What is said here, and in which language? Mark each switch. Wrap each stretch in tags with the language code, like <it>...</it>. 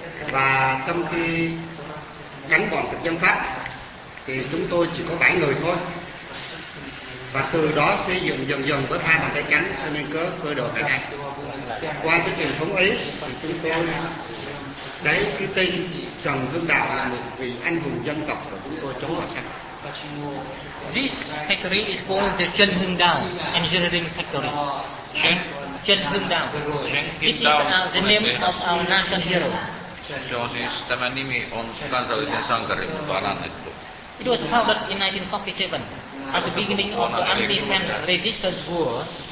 <vi>Và trong khi đánh bọn thực dân Pháp thì chúng tôi chỉ có 7 người thôi. Và từ đó xây dựng dần dần với hai bàn tay trắng cho nên có cơ đồ tại đây. Qua cái truyền thống ấy thì chúng tôi đấy cái tên Trần Hưng Đạo là một vị anh hùng dân tộc của chúng tôi chống Hoa Sen.</vi> <en>This factory is called the Trần Hưng Đạo Engineering Factory. Trần Hưng Đạo. This is the name of our national hero.</en> <fi>Se on siis, tämä nimi on kansallisen sankarin mukaan annettu.</fi> <en>It was founded in 1947. At the beginning of the anti-tank resistance war,</en>